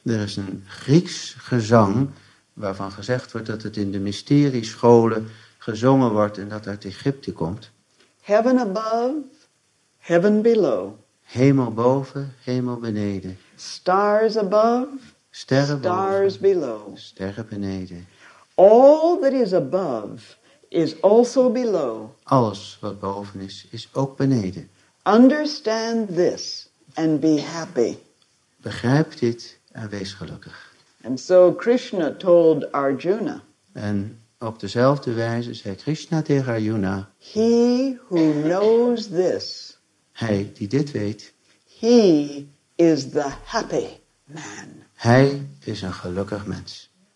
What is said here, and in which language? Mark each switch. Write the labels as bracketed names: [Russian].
[Dutch] Er is een Grieks gezang waarvan gezegd wordt dat het in de mysteriescholen gezongen wordt en dat uit Egypte komt. [English] Heaven above, heaven below. [Dutch] Hemel boven, hemel beneden. [English] Stars above, [Dutch] sterren [English] stars [Dutch] boven, [English] below. [Dutch] Sterren beneden. [English] All that is above is also below. [Dutch] Alles wat boven is, is ook beneden. [English] Understand this and be happy. [Dutch] Begrijp dit en wees gelukkig. [English] And so Krishna told Arjuna. [Dutch] En op dezelfde wijze zei Krishna tegen Arjuna. [English] He who knows this. [Dutch] Hij die dit weet. [English] He is the happy man. [Dutch] Hij is een gelukkig mens.